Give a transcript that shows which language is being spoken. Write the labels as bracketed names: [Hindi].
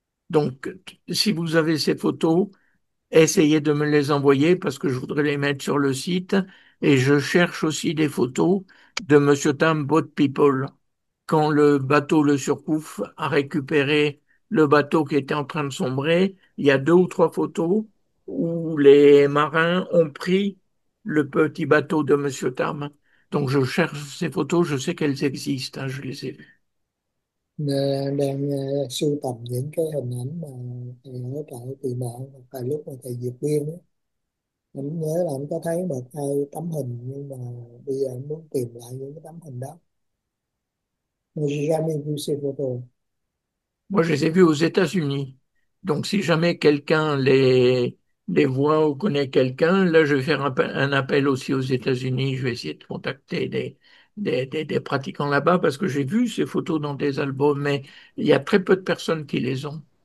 [French] Donc si vous avez ces photos, essayez de me les envoyer parce que je voudrais les mettre sur le site et je cherche aussi des photos de Monsieur Tam Boat People quand le bateau Le Surcouf a récupéré le bateau qui était en train de sombrer. Il y a deux ou trois photos où les marins ont pris le petit bateau de Monsieur Tam. Donc je cherche ces photos, je sais qu'elles existent, hein, je les ai vues. [Vietnamese] Đang sưu tầm những cái hình ảnh mà thầy ở trại tị nạn và lúc mà thầy vượt biên á, anh nhớ là anh có thấy một hai tấm hình nhưng mà bây giờ anh muốn tìm lại những cái tấm hình đó. Người ra mình vui xem photo. [French] Moi, je les ai vus aux États-Unis. Donc, si jamais quelqu'un les voit ou connaît quelqu'un, là, je vais faire un appel aussi aux États-Unis. Je vais essayer de contacter des pratiquants là-bas parce que j'ai vu ces photos dans des albums, mais il y a très peu de personnes qui les ont.